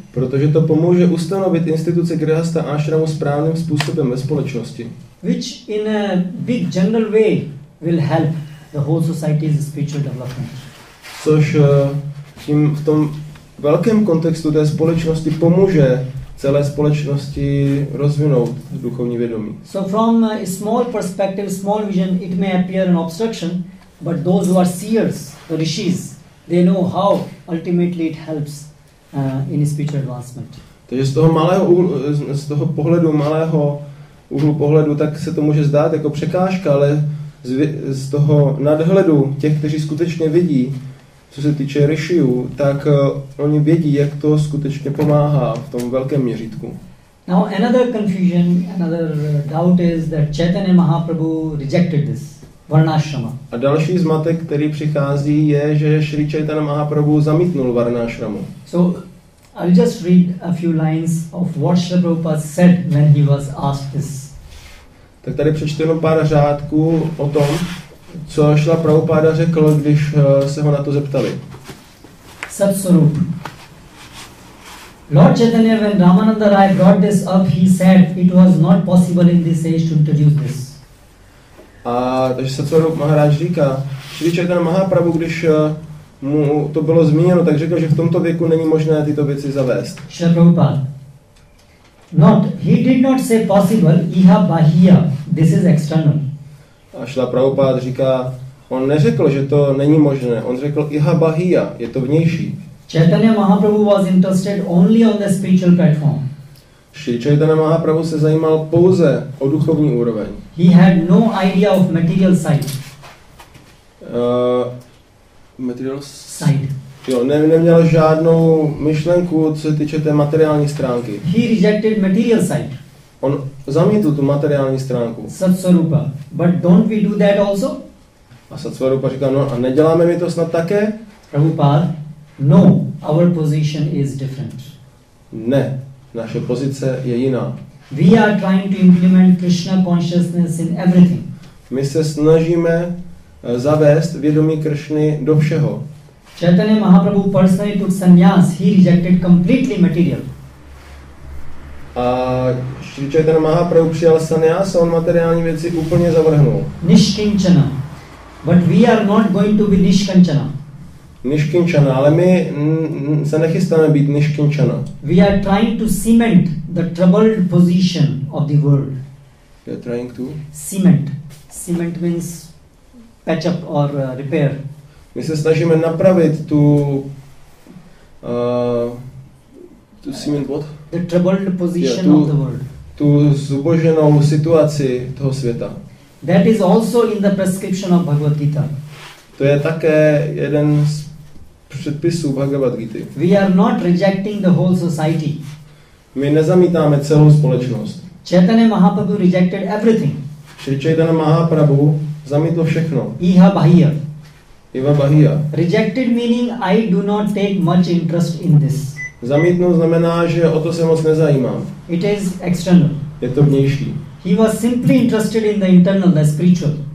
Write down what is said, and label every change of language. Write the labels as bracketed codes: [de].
[cs] Protože to pomůže ustanovit instituci grihastha ashramu správným způsobem ve společnosti. [en] Which in a big general way will help the whole society's spiritual development. [cs] Což tím v tom velkém kontextu té společnosti pomůže celé společnosti rozvinout duchovní vědomí. [en] So from a small perspective, small vision, it may appear an obstruction, but those who are seers, the rishis, they know how ultimately it helps in spiritual advancement. [cs] Takže z toho úhlu pohledu, tak se to může zdát jako překážka, ale z toho nadhledu těch, kteří skutečně vidí, co se týče rishiů, tak oni vědí, jak to skutečně pomáhá v tom velkém měřítku. [en] Now another confusion, another doubt is that Chaitanya Mahaprabhu rejected this varnashrama. [cs] A další zmatek, který přichází, je, že Sri Chaitanya Mahaprabhu zamítnul varnashramu. [en] So I'll just read a few lines of what Srila Prabhupada said when he was asked this. [cs] Tak tady přečtu jenom pár řádků o tom, co Srila Prabhupada řekl, když se ho na to zeptali. [en] Satsvarup. Lord Chaitanya, when Ramananda Rai brought this up, he said it was not possible in this age to introduce this. [cs] A takže Satsvarup Maharaj říká, Sri Chaitanya Mahaprabhu, když mu to bylo zmíněno, tak řekl, že v tomto věku není možné tyto věci zavést. [en] Srila Prabhupada. Not, he did not say possible, [bn] iha bahia, [en] this is external. [cs] A Srila Prabhupada říká, on neřekl, že to není možné, on řekl [bn] iha bahia, [cs] je to vnější. [en] Chaitanya Mahaprabhu was interested only on the spiritual platform. [cs] Sri Chaitanya Mahaprabhu se zajímal pouze o duchovní úroveň. [en] He had no idea of material side. Material side. [cs] Jo, neměl žádnou myšlenku, co se týče té materiální stránky. [en] He rejected material side. [cs] On zamítl tu materiální stránku. [en] Satsvarupa. But don't we do that also? [cs] A Satsvarupa říká, no a neděláme my to snad také? [en] Prabhupada, no, our position is different. [cs] Ne, naše pozice je jiná. [en] We are trying to implement Krishna consciousness in everything. [cs] My se snažíme zavést vědomí Krishny do všeho. [en] Chaitanya Mahaprabhu personally took sannyas, he rejected completely material. [cs] A Shri Chaitanya Mahaprabhu přijal sannyas a on materiální věci úplně zavrhnul. [sa] Nishkinchana. [en] But we are not going to be Nishkinchana. [cs] Nishkinchana, ale my se nechystáme být Nishkinchana. [en] We are trying to cement the troubled position of the world. We are trying to? Cement. Cement means patch up or repair. [cs] My se snažíme napravit tu tu [en] cement what? The troubled position of the world. [cs] Tu zuboženou situaci toho světa. [en] That is also in the prescription of Bhagavad Gita. [cs] To je také jeden z předpisů Bhagavad Gita. [en] We are not rejecting the whole society. [cs] My nezamítáme celou společnost. [en] Chaitanya Mahaprabhu rejected everything. [cs] Shri Chaitanya Mahaprabhu zamítl všechno. [bn] Iha bahia. Iha bahia. [en] Rejected meaning I do not take much interest in this. [cs] Zamítnout znamená, že o to se moc nezajímám. [en] It is external. [cs] Je to vnější. [en] He was simply interested in the internal, the spiritual.